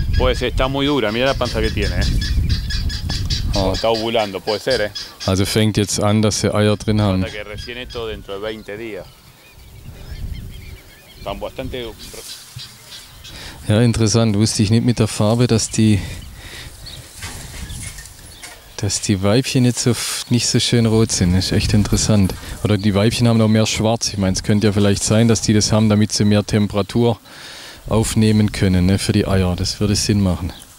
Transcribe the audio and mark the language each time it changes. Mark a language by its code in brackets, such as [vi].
[es] Puede ser, está muy dura, mira la panza que tiene, ¿eh? Oh. Está ovulando, puede ser, ¿eh? [de] Also fängt jetzt an, dass sie Eier drin haben. [es] Que recién esto dentro de 20 días. Están bastante. [de] Ja, interessant, wusste ich nicht mit der Farbe, dass die Weibchen jetzt nicht so schön rot sind. Das ist echt interessant. Oder die Weibchen haben noch mehr Schwarz. Ich meine, es könnte ja vielleicht sein, dass die das haben, damit sie mehr Temperatur aufnehmen können, ne, für die Eier. Das würde Sinn machen.